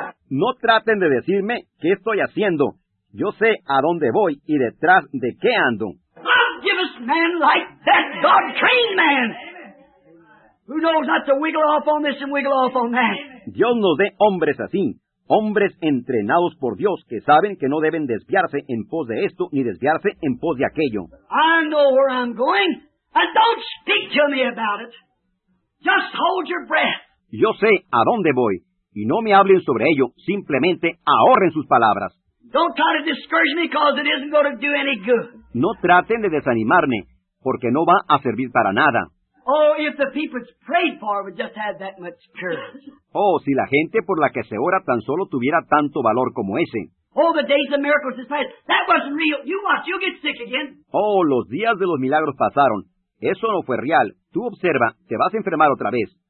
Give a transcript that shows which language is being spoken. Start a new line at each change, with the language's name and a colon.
Spanish: No traten de decirme qué estoy haciendo. Yo sé a dónde voy y detrás de qué ando.
English: God give us men like that, God-trained man. Who knows not to wiggle off on this and wiggle off on that.
Spanish: Dios nos dé hombres así, hombres entrenados por Dios que saben que no deben desviarse en pos de esto ni desviarse en pos de aquello.
English: I know where I'm going, and don't speak to me about it. Just hold your breath.
Spanish: Yo sé a dónde voy. y no me hablen sobre ello. Simplemente ahorren sus palabras.
English: Don't try to discourage me because it isn't going to do any good.
Spanish: No traten de desanimarme porque no va a servir para nada.
English: Oh, if the people it's prayed for would just have that much courage.
Spanish: Oh, si la gente por la que se ora tan solo tuviera tanto valor como ese.
English: Oh, the days of miracles is past. That wasn't real. You watch, you'll get sick again.
Spanish: Oh, los días de los milagros pasaron. Eso no fue real. Tú observa, te vas a enfermar otra vez.